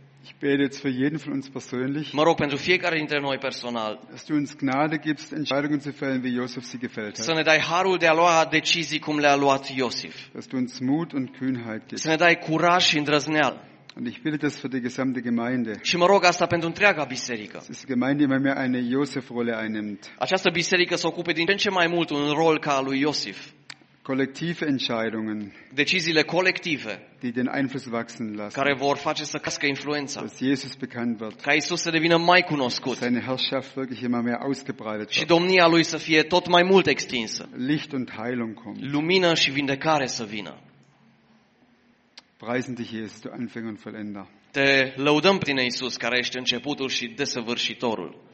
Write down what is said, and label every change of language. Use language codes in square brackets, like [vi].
[de] Ich bete jetzt für jeden von uns persönlich. [ro] Mă rog pentru fiecare dintre noi personal. [de] Dass du uns Gnade gibst, Entscheidungen zu fällen, wie Josef sie gefällt hat. [ro] Să ne dai harul de a lua decizii cum le-a luat Iosif. [de] Dass du uns Mut und Kühnheit gibst. [ro] Să ne dai curaj și îndrăzneală. [de] Und ich bete das für die gesamte Gemeinde. [ro] Și mă rog asta pentru întreaga biserică. [de] Dass die Gemeinde immer mehr eine Josef-Rolle einnimmt. [ro] Această biserică se ocupe din ce în ce mai mult un rol ca al lui Iosif. [de] Kollektive Entscheidungen. [ro] Deciziile colective. [de] Die den Einfluss wachsen lassen. [ro] Care vor face să crească influența. [de] Dass Jesus bekannt wird. [ro] Ca Iisus să devină mai cunoscut. [de] Seine Herrschaft wirklich immer mehr ausgebreitet wird. [ro] Și domnia lui să fie tot mai mult extinsă. [de] Licht und Heilung kommt. [ro] Lumină și vindecare să vină. [de] Preisen dich Jesus, du Anfänger und Vollender. [ro] Te lăudăm pe tine, Iisus, care ești începutul și desăvârșitorul.